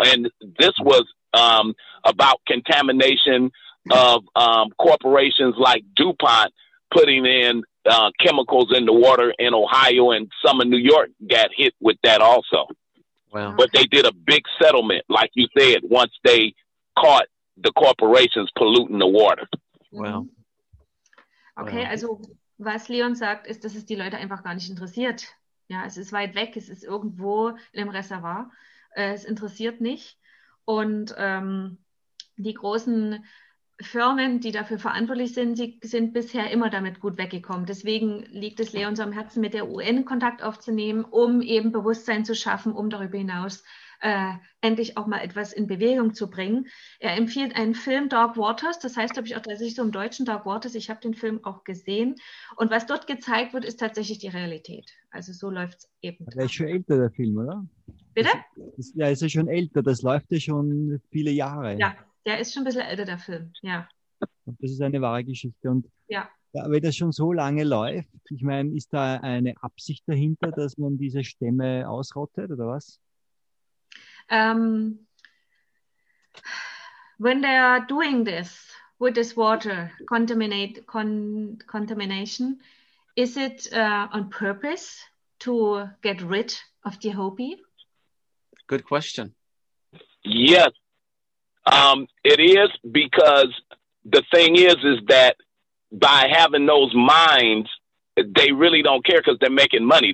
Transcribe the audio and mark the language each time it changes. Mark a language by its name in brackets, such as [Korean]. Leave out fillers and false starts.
[English] And this was about contamination of corporations like DuPont putting in chemicals in the water in Ohio, and some in New York got hit with that also. Wow. But they did a big settlement, like you said, once they caught the corporations polluting the water. Wow. [German] Okay, also was Leon sagt, ist, dass es die Leute einfach gar nicht interessiert. Ja, es ist weit weg, es ist irgendwo in einem Reservoir. Es interessiert nicht. Und die großen Firmen, die dafür verantwortlich sind, sie sind bisher immer damit gut weggekommen. Deswegen liegt es Leon so am Herzen, mit der UN Kontakt aufzunehmen, um eben Bewusstsein zu schaffen, um darüber hinaus endlich auch mal etwas in Bewegung zu bringen. Er empfiehlt einen Film, Dark Waters. Das heißt, glaube ich, auch tatsächlich so im Deutschen Dark Waters. Ich habe den Film auch gesehen. Und was dort gezeigt wird, ist tatsächlich die Realität. Also so läuft es eben Der ist schon älter, der Film, oder? ab. Bitte? Ja, ist ja schon älter. Das läuft ja schon viele Jahre. Ja, der ist schon ein bisschen älter, der Film. Ja. Und das ist eine wahre Geschichte. Und Ja. ja, wenn das schon so lange läuft, ich meine, ist da eine Absicht dahinter, dass man diese Stämme ausrottet, oder was? [English] When they are doing this with this water contamination, is it on purpose to get rid of the Hopi? Good question. Yes, it is because the thing is that by having those mines, they really don't care because they're making money.